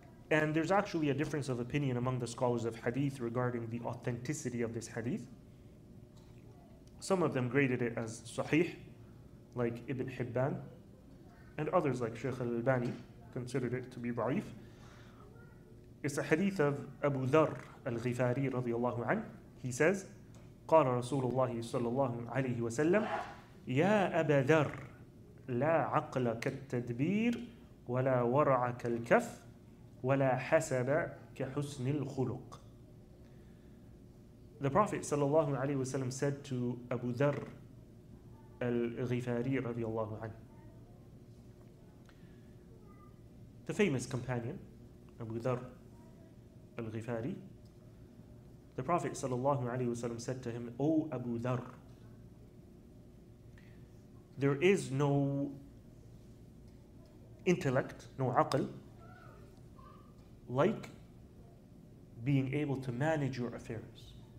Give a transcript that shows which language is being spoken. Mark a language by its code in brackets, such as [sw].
[en] And there's actually a difference of opinion among the scholars of hadith regarding the authenticity of this hadith. Some of them graded it as sahih, like Ibn Hibban, and others like Shaykh al-Albani considered it to be ba'if. It's a hadith of Abu Dharr al-Ghifari radiallahu anhu. He says, [ar] قال رسول الله صلى الله عليه وسلم يا أبا ذر لا عقل كالتدبير ولا ورع كالكف ولا حسب كحسن الخلق. [en] The Prophet [ar] صلى الله عليه وسلم [en] said to Abu Dharr al-Ghifari [ar] رضي الله عنه, [en] the famous companion Abu Dharr al-Ghifari, the Prophet sallallahu alaihi wasallam said to him, O Abu Dharr, there is no intellect, no aql, like being able to manage your affairs.